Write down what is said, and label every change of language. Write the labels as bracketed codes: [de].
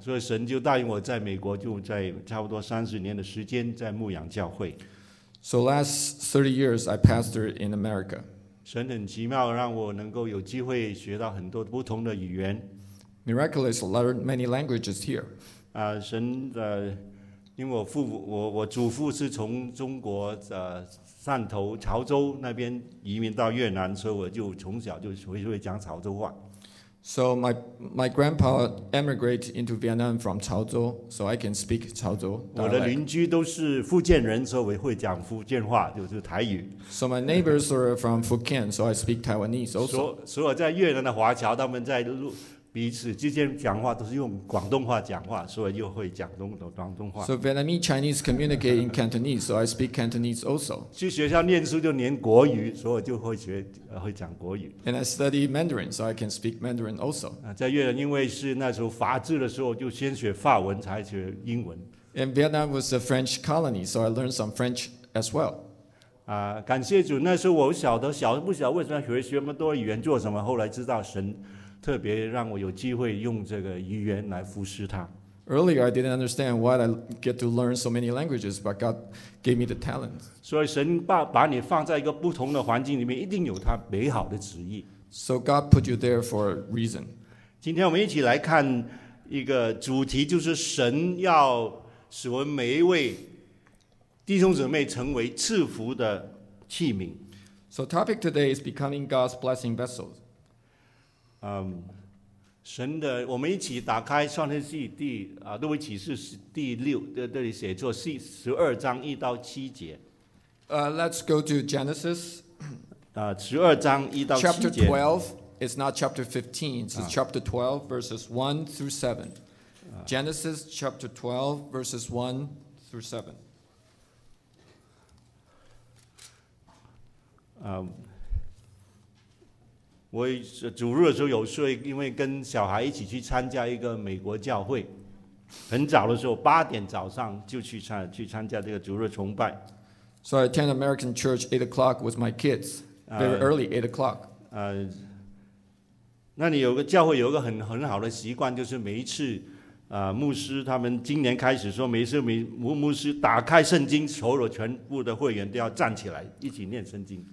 [zh] 所以神就答应我在美国就在差不多30年的时间在牧养教会。 [en] So last 30 years, I pastored in America. [zh] 神很奇妙，让我能够有机会学到很多不同的语言。 [en] Miraculously, learned many languages here. [zh] 神的，因为我祖父是从中国汕头潮州那边移民到越南，所以我就从小就会讲潮州话。 [en] So my grandpa emigrated into Vietnam from Chaozhou, so I can speak Chaozhou. [zh] 我的邻居都是福建人，所以我会讲福建话，就是台语。 [en] So my neighbors are from Fukien, so I speak Taiwanese also. [zh] 所以我在越南的华侨，他们在彼此之间讲话都是用广东话讲话，所以又会讲广东话。 [en] So Vietnamese Chinese communicate in Cantonese, so I speak Cantonese also. [zh] 去学校念书就念国语，所以就会讲国语。 [en] And I study Mandarin, so I can speak Mandarin also. [zh] 在越南，因为是那时候法治的时候，就先学法文，才学英文。 [en] And Vietnam was a French colony, so I learned some French as well. [zh] 感谢主，那时候我晓得不晓得为什么要学那么多语言做什么，后来知道神。特别让我有机会用这个语言来服侍他。 [en] Earlier, I didn't understand why I get to learn so many languages, but God gave me the talent. [zh] 所以神把你放在一个不同的环境里面，一定有他美好的旨意。 [en] So God put you there for a reason. [zh] 今天我们一起来看一个主题，就是神要使我们每一位弟兄姊妹成为赐福的器皿。 [en] So topic today is becoming God's blessing vessels. [zh] 神的，我们一起打开《创世纪》第《路威启示》第六，这里写作12:1-7。 [en] Let's go to Genesis. 12:1-7。 Chapter 12. It's not chapter 15. It's chapter 12, verses 1-7. Genesis chapter 12, verses 1-7. [zh] 我主日的时候有睡，因为跟小孩一起去参加一个美国教会，很早的时候8:00 AM就去参加这个主日崇拜。 [en] So I attend American church 8:00 with my kids, very early 8:00. [zh] 那里有个教会有一个很好的习惯，就是每一次，牧师他们今年开始说，每一次牧师打开圣经，所有全部的会员都要站起来一起念圣经。